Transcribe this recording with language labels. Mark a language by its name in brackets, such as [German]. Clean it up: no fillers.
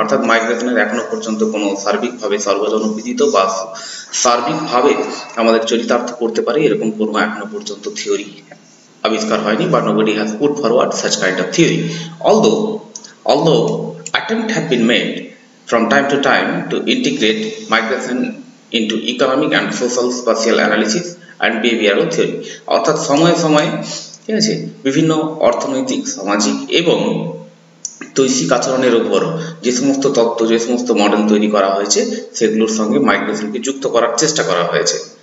[Bangla] অর্থাৎ মাইগ্রেশনের এখনো পর্যন্ত কোনো সার্বিকভাবে সর্বজনবিদিত বা সার্বিকভাবে আমাদের চরিতার্থ করতে পারে এরকম কোনো এখনো পর্যন্ত থিওরি আবিষ্কার হয়নি বা [English] nobody has put forward such kind of theory. Although attempt have been made from time to integrate migration into economic and social spatial analysis and behavioral theory. [Bangla] অর্থাৎ সময়ে সময়ে ঠিক আছে বিভিন্ন অর্থনৈতিক সামাজিক এবং তৈশিক আচরণের উপর যে সমস্ত তত্ত্ব যে সমস্ত মডেল তৈরি করা হয়েছে সেগুলোর সঙ্গে মাইগ্রেশনকে যুক্ত করার চেষ্টা করা হয়েছে